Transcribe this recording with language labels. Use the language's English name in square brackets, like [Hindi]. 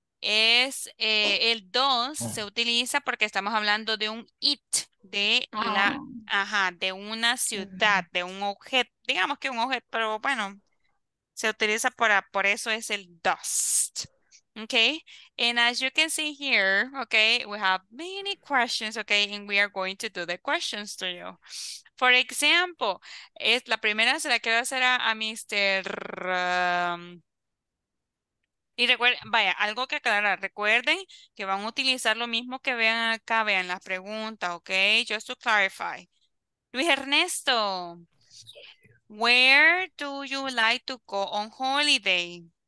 [Spanish] Es el does se utiliza porque estamos hablando de un it, de la, de una ciudad, de un objeto, digamos que un objeto, pero bueno, se utiliza por eso es el does. [English] Okay, and as you can see here, okay, we have many questions, okay, and we are going to do the questions to you. For example, [Spanish] es la primera se la quiero hacer a Mr. Y recuerden, vaya, algo que aclarar, recuerden que van a utilizar lo mismo que vean acá, vean las preguntas, okay, [English] just to clarify. Luis Ernesto, where do you like to go on holiday?